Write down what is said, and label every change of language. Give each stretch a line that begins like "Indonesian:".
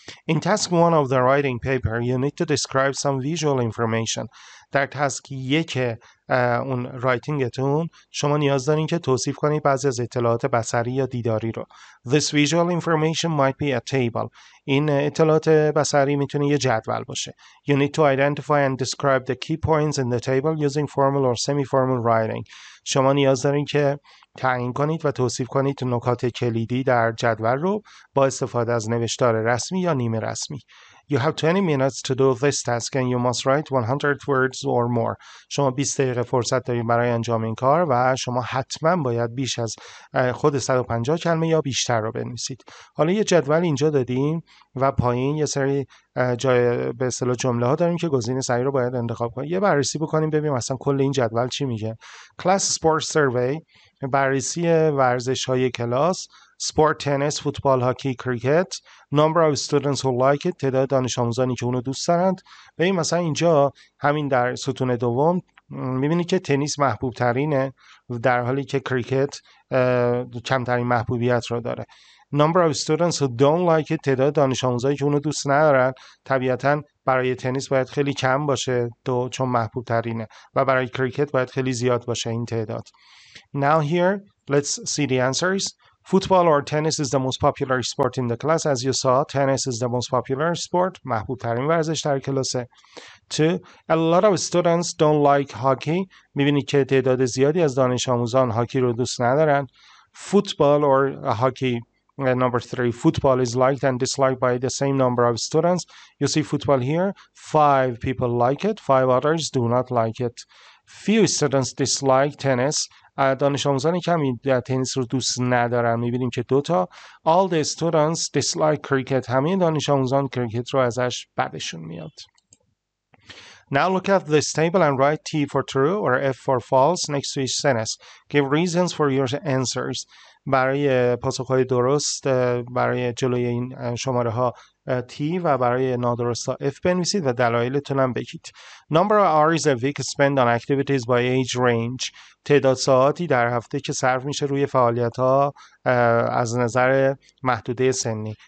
English: In task one of the writing paper, you need to describe some visual information.
Persian: در task یک اون رایتینگتون شما نیاز دارین که توصیف کنید بعضی از اطلاعات بصری یا دیداری رو.
English: This visual information might be a table.
Persian: این اطلاعات بصری میتونه یه جدول باشه.
English: You need to identify and describe the key points in the table using formal or semi-formal writing.
Persian: شما نیاز دارین که تعیین کنید و توصیف کنید نکات کلیدی در جدول رو با استفاده از نوشتار رسمی یا نیمه رسمی.
English: You have 20 minutes to do this task and you must write 100 words or more.
Persian: شما 20 دقیقه فرصت دارید برای انجام این کار و شما حتما باید بیش از خود 150 کلمه یا بیشتر رو بنویسید. حالا یه جدول اینجا دادیم و پایین یه سری جای به اصطلاح جمله ها داریم که گزینه صحیح رو باید انتخاب کنیم. یه بررسی بکنیم ببینیم اصلا کل این جدول چی میگه.
English: Class sports survey,
Persian: بررسی ورزش های کلاس.
English: Sport, tennis, football, hockey, cricket. Number of students who like it.
Persian: تعداد دانش آموزانی که اونو دوست دارند. به این مثلا اینجا همین در ستون دوم میبینی که تنیس محبوب ترینه در حالی که کریکت کمترین محبوبیت رو داره.
English: Number of students who don't like it.
Persian: تعداد دانش آموزانی که اونو دوست ندارن طبیعتاً برای تنیس باید خیلی کم باشه دو چون محبوب ترینه و برای کریکت باید خیلی زیاد باشه این تعداد.
English: Now here, let's see the answers. Football or tennis is the most popular sport in the class. As you saw, tennis is the most popular sport.
Persian: محبوب ترین ورزش در کلاسه.
English: Two, a lot of students don't like hockey.
Persian: میبینید که تعداد زیادی از دانش آموزان هاکی رو دوست ندارن.
English: Football or hockey. Number three, football is liked and disliked by the same number of students. You see football here. Five people like it. Five others do not like it. Few students dislike tennis.
Persian: دانش آموزان کمی تنیس رو دوست ندارن. میبینیم که دوتا.
English: All the students dislike cricket.
Persian: همه دانش آموزان کرکت رو ازش بدشون میاد.
English: Now look at this table and write T for true or F for false next to each sentence. Give reasons for your answers.
Persian: برای پاسخهای درست برای جلوی این شماره ها T و برای نادرست ها F بنویسید و دلایلتون هم بگید.
English: Number of hours a week spent on activities by age range.
Persian: تعداد ساعتی در هفته که صرف میشه روی فعالیت ها از نظر محدوده سنی.